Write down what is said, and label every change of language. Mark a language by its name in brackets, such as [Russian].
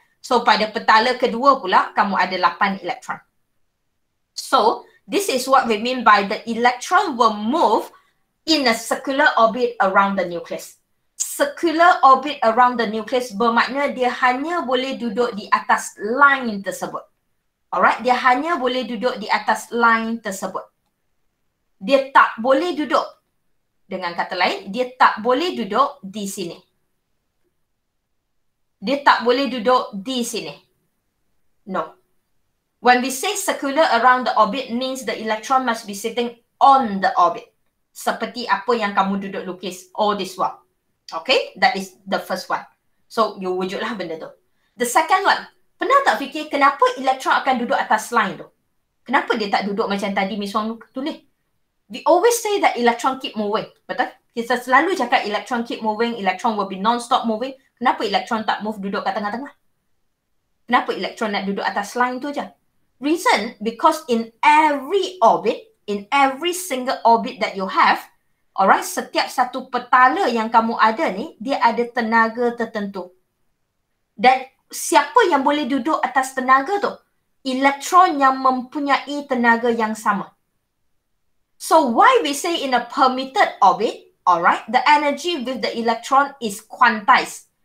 [Malay] So pada petala kedua pula kamu ada 8 elektron. [English] So this is what we mean by the electron will move in a circular orbit around the nucleus. Circular orbit around the nucleus [Malay] bermakna dia hanya boleh duduk di atas line tersebut. Alright, dia hanya boleh duduk di atas line tersebut. Dia tak boleh duduk. Dengan kata lain, dia tak boleh duduk di sini. Dia tak boleh duduk di sini. [English] No. When we say circular around the orbit means the electron must be sitting on the orbit. [Malay] Seperti apa yang kamu duduk lukis [English] all this while. Okay, that is the first one. So, you [Malay] wujudlah benda tu. [English] The second one, [Malay] pernah tak fikir kenapa elektron akan duduk atas line tu? Kenapa dia tak duduk macam tadi Miss Wong tulis? [English] We always say that electron keep moving, betul? [Malay] Kita selalu cakap [English] electron keep moving, electron will be non-stop moving. [Malay] Kenapa elektron tak move duduk kat tengah-tengah? Kenapa elektron nak duduk atas line tu aja? [English] Reason, because in every orbit, in every single orbit that you have, alright, [Malay] setiap satu petala yang kamu ada ni, dia ada tenaga tertentu. Dan siapa yang boleh duduk atas tenaga tu? Elektron yang mempunyai tenaga yang sama. [English] So why we say in a permitted orbit, alright, the energy with the electron is quantized.